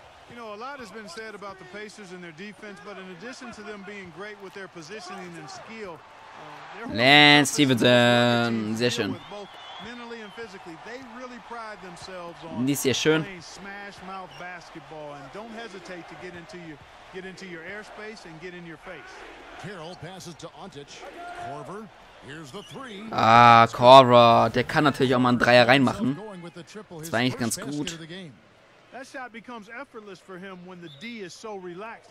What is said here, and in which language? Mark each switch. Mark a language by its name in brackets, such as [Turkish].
[English] You know, a lot has been said about the Pacers and their defense, but in addition to them being great with their positioning and skill, [German] Lance Stevenson, sehr schön. [English] Mentally and physically, they really pride themselves on playing smash-mouth basketball and don't hesitate to get into your airspace and get in your face. Carroll passes to Antic. Korver, here's the three. [German] Ah, Korver, der kann natürlich auch mal einen Dreier reinmachen. Das war eigentlich ganz gut. [English] That shot becomes effortless for him when the D is so relaxed.